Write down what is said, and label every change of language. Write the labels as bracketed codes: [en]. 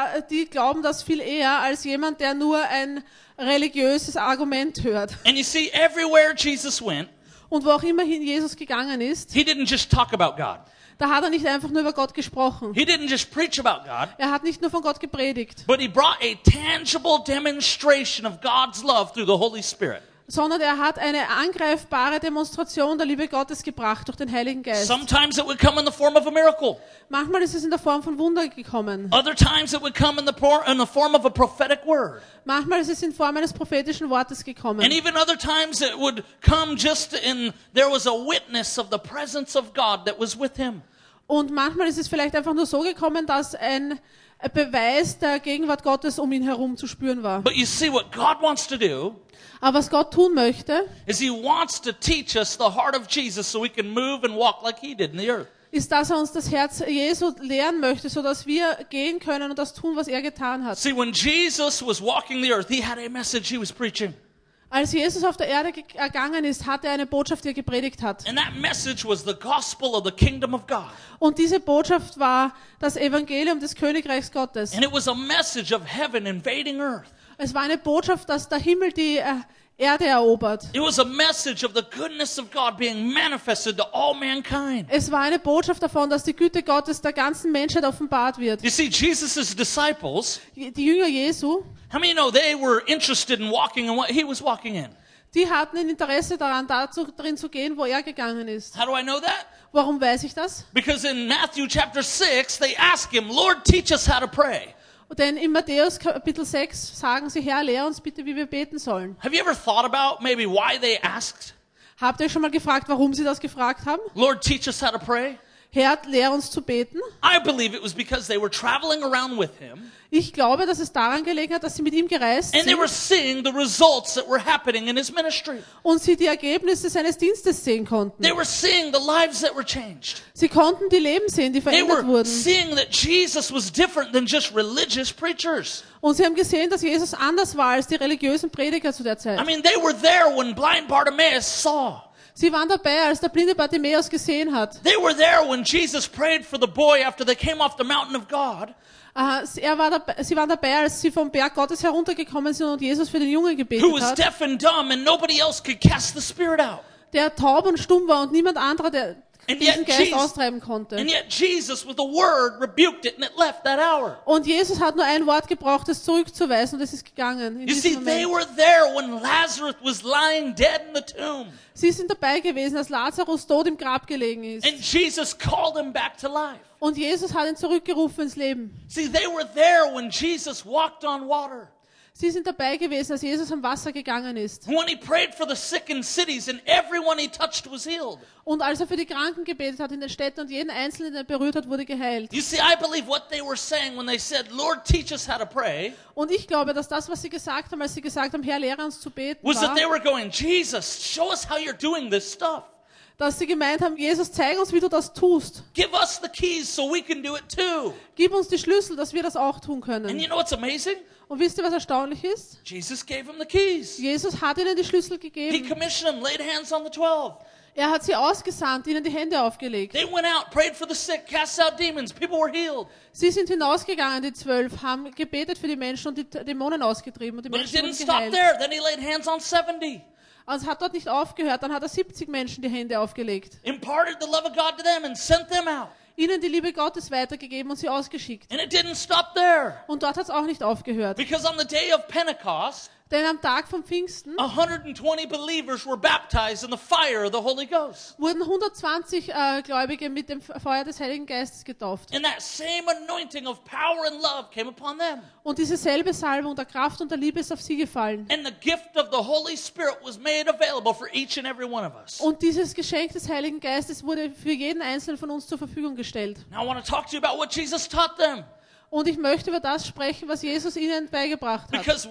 [de] Die glauben das viel eher als jemand, der nur ein religiöses Argument hört. [en] And you see, everywhere Jesus went, [de] und wo auch immerhin Jesus gegangen ist, [en] he didn't just talk about God. [de] Da hat er nicht einfach nur über Gott gesprochen. [en] He didn't just preach about God, [de] er hat nicht nur von Gott gepredigt. [en] But he brought a tangible demonstration of God's love through the Holy Spirit. [de] Sondern er hat eine angreifbare Demonstration der Liebe Gottes gebracht durch den Heiligen Geist. [en] Sometimes it would come in the form of a miracle. [de] Manchmal ist es in der Form von Wunder gekommen. [en] Other times it would come in the form of a prophetic word. [de] Manchmal ist es in Form eines prophetischen Wortes gekommen. [en] And even other times it would come just in there was a witness of the presence of God that was with him. [de] Und manchmal ist es vielleicht einfach nur so gekommen, dass ein Beweis der Gegenwart Gottes um ihn herum zu spüren war. [en] But you see what God wants to do. [de] Aber was Gott tun möchte, [en] is he wants to teach us the heart of Jesus so we can move and walk like he did in the earth. [de] Ist, dass er uns das Herz Jesu lehren möchte, so dass wir gehen können und das tun, was er getan hat. [en] See, when Jesus was walking the earth, he had a message he was preaching. [de] Als Jesus auf der Erde gegangen ist, hat er eine Botschaft, die er gepredigt hat. [en] And that message was the gospel of the kingdom of God. [de] Und diese Botschaft war das Evangelium des Königreichs Gottes. [en] And it was a message of heaven invading earth. [de] Es war eine Botschaft, dass der Himmel die Erde erobert. [en] It was a message of the goodness of God being manifested to all mankind. [de] Es war eine Botschaft davon, dass die Güte Gottes der ganzen Menschheit offenbart wird. [en] You see, Jesus's disciples, [de] die Jünger Jesu, [en] how many know they were interested in walking in what he was walking in? [de] Die hatten ein Interesse daran, dazu drin zu gehen, wo er gegangen ist. [en] How do I know that? [de] Warum weiß ich das? [en] Because in Matthew chapter 6, they ask him, Lord, teach us how to pray. [de] Denn in Matthäus Kapitel 6 sagen sie, Herr, lehr uns bitte, wie wir beten sollen. [en] Have you ever thought about maybe why they asked? [de] Habt ihr schon mal gefragt, warum sie das gefragt haben? [en] Lord, teach us how to pray. [de] Herr, lehr uns zu beten. [en] I believe it was because they were traveling around with him. [de] Ich glaube, dass es daran gelegen hat, dass sie mit ihm gereist sind. [en] And they were seeing the results that were happening in his ministry. [de] Und sie die Ergebnisse seines Dienstes sehen konnten. [en] They were seeing the lives that were changed. [de] Sie konnten die Leben sehen, die verändert wurden. [en] They were seeing that Jesus was different than just religious preachers. [de] Und sie haben gesehen, dass Jesus anders war als die religiösen Prediger zu der Zeit. [en] I mean, they were there when blind Bartimaeus saw. [de] Sie waren dabei, als der blinde Bartimäus gesehen hat. [en] They were there when Jesus prayed for the boy after they came off the mountain of God. [de] Sie waren dabei, als sie vom Berg Gottes heruntergekommen sind und Jesus für den Jungen gebetet hat. [en] Who was deaf and dumb and nobody else could cast the spirit out. [de] Der taub und stumm war und niemand anderer der diesen Geist austreiben konnte. [en] And yet Jesus with a word rebuked it and it left that hour. [de] Und Jesus hat nur ein Wort gebraucht, es zurückzuweisen und es ist gegangen. [en] You see, they were there when Lazarus was lying dead in the tomb. [de] Sie sind dabei gewesen, als Lazarus tot im Grab gelegen ist. [en] And Jesus called him back to life. [de] Und Jesus hat ihn zurückgerufen ins Leben. [en] See, they were there when Jesus walked on water. [de] Sie sind dabei gewesen, als Jesus am Wasser gegangen ist. [en] When he prayed for the sick in cities and everyone he touched was healed. [de] Und als er für die Kranken gebetet hat in den Städten und jeden Einzelnen, den er berührt hat, wurde geheilt. [en] You see, I believe what they were saying when they said, "Lord, teach us how to pray." [de] Und ich glaube, dass das, was sie gesagt haben, als sie gesagt haben, Herr, lehre uns zu beten, [en] was that they were going, "Jesus, show us how you're doing this stuff." [de] Dass sie gemeint haben, Jesus, zeig uns, wie du das tust. [en] Give us the keys so we can do it too. [de] Gib uns die Schlüssel, dass wir das auch tun können. [en] And you know what's amazing? [de] Und wisst ihr, was erstaunlich ist? [en] Jesus gave him the keys. [de] Jesus hat ihnen die Schlüssel gegeben. [en] He commissioned them, laid hands on the 12. [de] Er hat sie ausgesandt, ihnen die Hände aufgelegt. [en] They went out, prayed for the sick, cast out demons. People were healed. [de] Sie sind hinausgegangen, die 12, haben gebetet für die Menschen und die Dämonen ausgetrieben und die Menschen wurden geheilt. [en] But it didn't stop there. Then he laid hands on 70. [de] Also hat dort nicht aufgehört, dann hat er 70 Menschen die Hände aufgelegt. [en] Imparted the love of God to them and sent them out. [de] Ihnen die Liebe Gottes weitergegeben und sie ausgeschickt. [en] And it didn't stop there. [de] Und dort hat es auch nicht aufgehört. [en] Because on the day of Pentecost, [de] denn am Tag vom Pfingsten [en] 120 believers were baptized in the fire of the Holy Ghost. [de] Wurden 120 Gläubige mit dem Feuer des Heiligen Geistes getauft. [en] And that same anointing of power and love came upon them. [de] Und diese selbe Salbung der Kraft und der Liebe ist auf sie gefallen. [en] And the gift of the Holy Spirit was made available for each and every one of us. [de] Und dieses Geschenk des Heiligen Geistes wurde für jeden einzelnen von uns zur Verfügung gestellt. [en] Now I want to talk to you about what Jesus taught them. [de] Und ich möchte über das sprechen, was Jesus ihnen beigebracht hat.